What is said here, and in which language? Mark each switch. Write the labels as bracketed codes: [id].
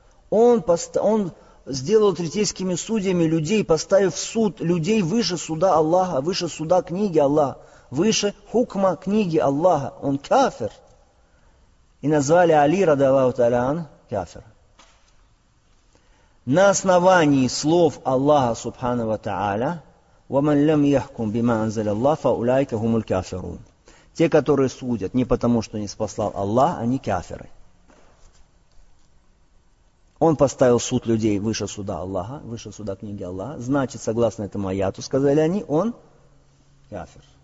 [ru] Он сделал третейскими судьями людей, поставив суд людей выше суда Аллаха, выше суда книги Аллаха, выше хукма книги Аллаха. Он кафир. И назвали Али, ради Аллаху Та'аля Ан, кафир. [ar] На основании слов Аллаха, субхана ва та'аля, وَمَنْ لَمْ يَحْكُمْ بِمَا أَنْزَلَ اللَّهُ فَأُولَٰئِكَ هُمُ الْكَافِرُونَ. [ru] Те, которые судят не потому, что не спасал Аллах, они кафиры. Он поставил суд людей выше суда Аллаха, выше суда книги Аллаха. Значит, согласно этому аяту, сказали они, он кафир.